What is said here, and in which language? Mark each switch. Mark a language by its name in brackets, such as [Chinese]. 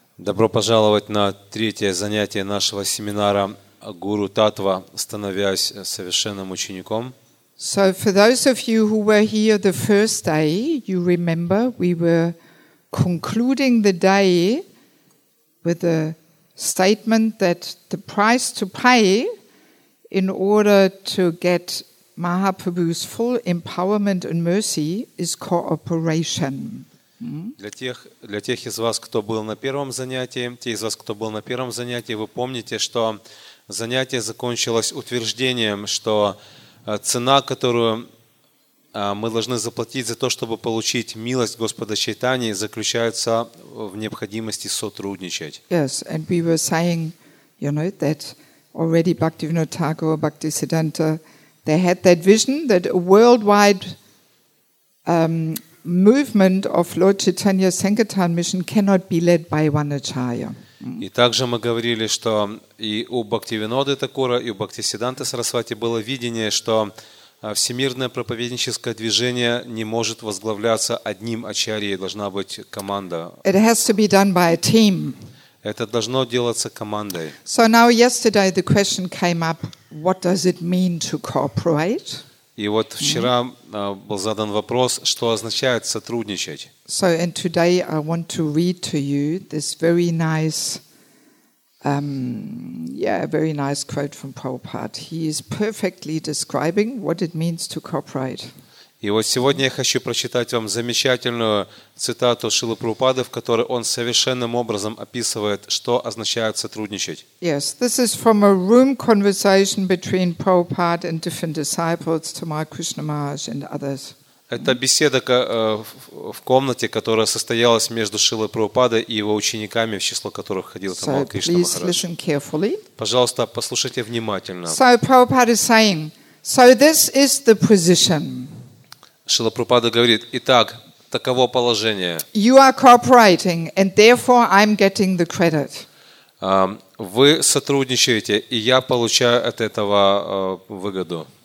[Russian] Добро пожаловать на третье занятие нашего семинара Guru Tattva, становясь совершенным учеником. [English] So for those of you who were here the first day, you remember we were concluding the day with a statement that the price to pay in order to get Mahaprabhu's full empowerment and mercy is cooperation. [Russian] Для тех из вас, кто был на первом занятии, те из вас, кто был на первом занятии, вы помните, что занятие закончилось утверждением, что цена, которую мы должны заплатить за то, чтобы получить милость Господа Чайтани, заключается в необходимости сотрудничать. [English] Yes, and we were saying, you know, that already Bhaktivinoda Thakur, Bhaktisiddhanta, they had that vision that a worldwide movement of Lord Chaitanya Sankirtan mission cannot be led by one acharya. [Russian] И также мы говорили, что и у Бхактивиноды Такура, и у Бхактисиддханты Сарасвати было видение, что всемирное проповедническое движение не может возглавляться одним ачарьей, должна быть команда. [English] It has to be done by a team. [Russian] Это должно делаться командой. [English] So now yesterday the question came up, what does it mean to cooperate? [Russian] И вот вчера был задан вопрос, что означает сотрудничать. [English] So, and today I want to read to you this very nice, very nice quote from Prabhupada. He is perfectly describing what it means to cooperate. [Russian] И вот сегодня я хочу прочитать вам замечательную цитату Шрилы Прабхупады, в которой он совершенным образом описывает, что означает сотрудничать. [English] Yes, this is from a room conversation between Prabhupada and different disciples, Tamal Krishna Maharaj and others. [Russian] Это беседа в комнате, которая состоялась между Шрилой Прабхупадой и его учениками, в число которых входил Тамал Кришна Махарадж. [English] Please listen carefully. [Russian] Пожалуйста, послушайте внимательно. [English] So Prabhupada is saying, so this is the position. [Russian] Шрила Прабхупада говорит, итак, таково положение. [English] You are cooperating, and therefore I'm getting the credit. [Russian] Вы сотрудничаете, и я получаю от этого выгоду.